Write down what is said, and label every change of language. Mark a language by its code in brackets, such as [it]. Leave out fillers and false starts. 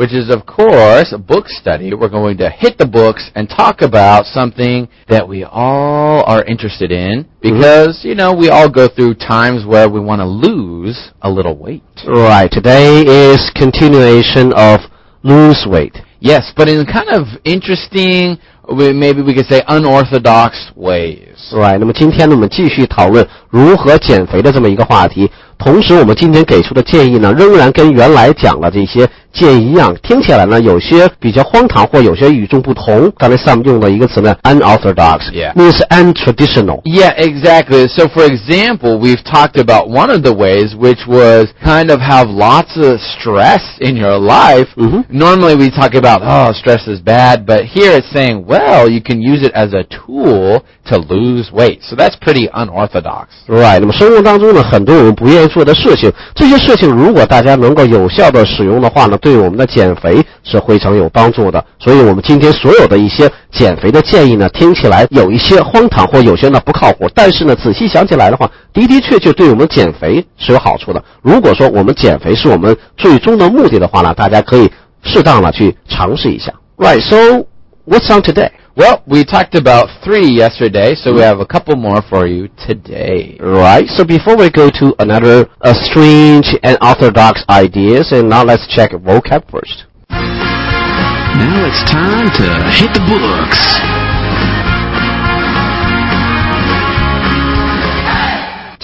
[en] of course a book study we're going to hit the books and talk about something that we all are interested in because you know we all go through times where we want to lose a little weight right today is continuation of lose weight Yes, but in kind of interesting, maybe we could say unorthodox ways. [zh] Right, 那么今天呢我们继续讨论如何减肥的这么一个话题。同时我们今天给出的建议呢仍然跟原来讲的这些建议一样。听起来呢有些比较荒唐或有些与众不同。刚才 Sam 用的一个词呢 unorthodox. [en] Yeah. Means untraditional. Yeah, exactly. So for example, we've talked about one of the ways which was kind of have lots of stress in your life.、 Mm-hmm. Normally we talk about, oh, stress is bad, but here it's saying, well, you can use it as a tool to lose weight. So that's pretty unorthodox. [zh] Right. 那么生活当中呢很多我们不愿意做的事情这些事情如果大家能够有效的使用的话呢对我们的减肥是非常有帮助的所以我们今天所有的一些减肥的建议呢听起来有一些荒唐或有些呢不靠谱但是呢仔细想起来的话的的确确对我们减肥是有好处的如果说我们减肥是我们最终的目的的话呢大家可以适当的去尝试一下 [en] Right, so what's on today? Well, we talked about three yesterday, so we have a couple more for you today. Right, so before we go to another strange and orthodox ideas, and now let's check vocab first. Now it's time to hit the books.